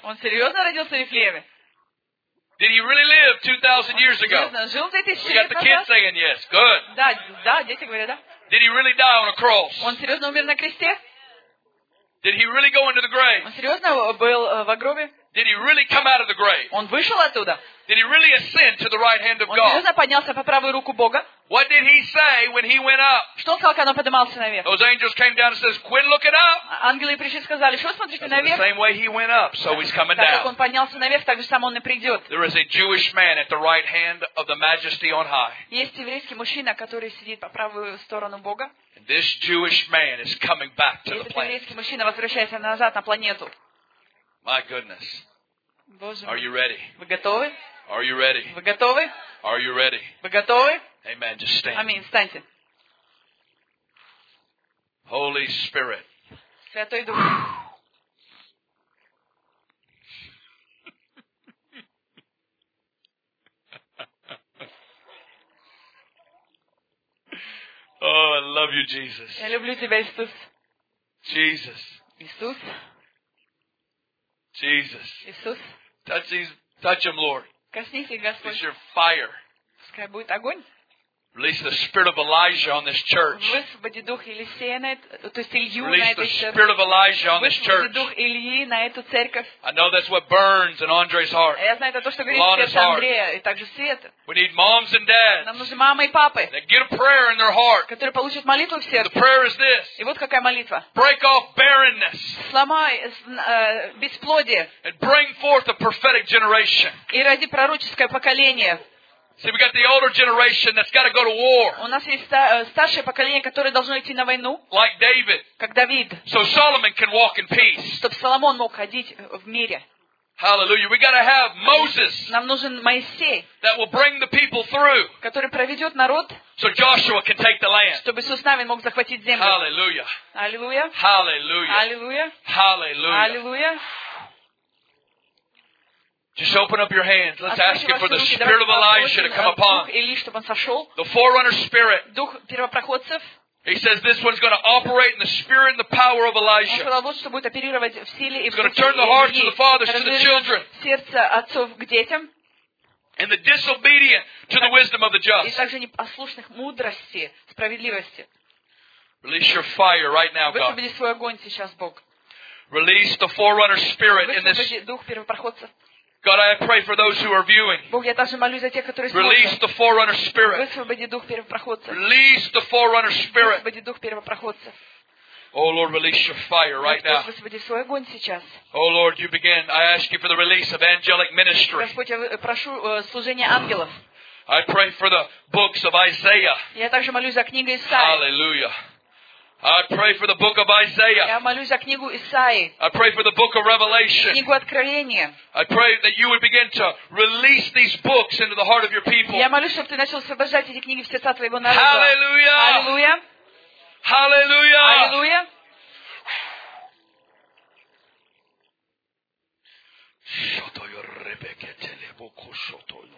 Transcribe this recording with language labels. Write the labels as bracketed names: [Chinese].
[Russian] Он серьезно родился в Вифлееме? [English] Did he really live 2,000 years ago? We got the kids saying yes. Good. [Russian] Да, да, дети говорят да. [English] Did he really die on a cross? [Russian] Он серьезно умер на кресте? [English] Did he really go into the grave? [Russian] Он серьезно был в гробе? [English] Did he really come out of the grave? [Russian] Он вышел оттуда? [English] Did he really ascend to the right hand of God? [Russian] Он серьезно поднялся по правую руку Бога? [English] What did he say when he went up? [Russian] Что он сказал, когда он поднимался наверх? [English] Those angels came down and says, "Quit looking up." [Russian] Ангелы пришли и сказали, что смотрите наверх? [English] The same way he went up, so he's coming down. [Russian] Так как он поднялся наверх, так же сам он и придет. [English] There is a Jewish man at the right hand of the Majesty on high. [Russian] Есть еврейский мужчина, который сидит по правую сторону Бога. [English] This Jewish man is coming back to the planet. [Russian] Этот еврейский мужчина возвращается назад на планету. [English] My goodness. [Russian] Боже мой. [English] Are you ready? [Russian] Вы готовы? [English] Are you ready? [Russian] Вы готовы? [English] Are you ready? [Russian] Вы готовы? [English] Amen. Just stand. [Russian] Аминь. Встаньте. [English] Holy Spirit. [Russian] Святой Дух. [English] Oh, I love you, Jesus. [Russian] Я люблю тебя, Иисус. [English] Jesus. [Russian] Иисус. [English] Jesus. [Russian] Иисус. [English] Touch him, Lord. [Russian] Коснись их, Господь. [English] Release your fire. [Russian] Пускай будет огонь. [English] Release the spirit of Elijah on this church. [Russian] Высвободи дух Елисея на эту, то есть Илью на эту церковь. [English] Release the spirit of Elijah on this church. [Russian] Высвободи дух Ильи на эту церковь. [English] I know that's what burns in Andre's heart. [Russian] Я знаю, это то, что горит в сердце Андрея, и также света. [English] We need moms and dads. [Russian] Нам нужны мамы и папы. [English] That get a prayer in their heart. [Russian] Которые получат молитву в сердце. [English] And the prayer is this. [Russian] И вот какая молитва. [English] Break off barrenness. [Russian] Сломай бесплодие. [English] And bring forth a prophetic generation. [Russian] И роди пророческое поколение. [English] See, we got the older generation that's got to go to war. [Russian] У нас есть старшее поколение, которое должно идти на войну. [English] Like David. [Russian] Как Давид. [English] So Solomon can walk in peace. [Russian] Чтобы Соломон мог ходить в мире. [English] Hallelujah. We got to have Moses. [Russian] Нам нужен Моисей. [English] That will bring the people through. [Russian] Который проведет народ. [English] So Joshua can take the land. [Russian] Чтобы Иисус Навин мог захватить землю. [English] Hallelujah. Hallelujah. Hallelujah. Hallelujah. Hallelujah. Hallelujah. Just open up your hands. Let's ask him for the spirit of Elijah to come upon. [Russian] Дух Ильи, чтобы он сошел. [English] The forerunner spirit. [Russian] Дух первопроходцев. [English] He says this one's going to operate in the spirit and the power of Elijah. [Russian] Он сказал, что будет оперировать в силе и в духе. [English] He's going to turn the hearts of the fathers to the children. [Russian] Сердце отцов к детям. [English] And the disobedient to the wisdom of the just. [Russian] И также непослушных мудрости, справедливости. [English] Release your fire right now, God. [Russian] Высвободи свой огонь сейчас, Бог. [English] Release the forerunner spirit in this. [Russian] Высвободи дух первопроходца. [English] God, I pray for those who are viewing. [Russian] Бог, я также молюсь за тех, которые смотрят. [English] Release the forerunner spirit. [Russian] Высвободи дух первопроходца. [English] Release the forerunner spirit. [Russian] Высвободи дух первопроходца. [English] Oh Lord, release your fire right now. [Russian] Господи, свой огонь сейчас. [English] Oh Lord, you begin. I ask you for the release of angelic ministry. [Russian] Господь, я прошу служение ангелов. [English] I pray for the books of Isaiah. [Russian] Я также молюсь за книгу Исаии. [English] Hallelujah. I pray for the book of Isaiah. [Russian] Я молюсь за книгу Исаии. [English] I pray for the book of Revelation. [Russian] Книгу Откровения. [English] I pray that you would begin to release these books into the heart of your people. [Russian] Я молюсь, чтобы ты начал освобождать эти книги в сердца твоего народа. [English] Hallelujah. Hallelujah. Hallelujah. Hallelujah. Shoto your Rebecca Telebuku Shoto.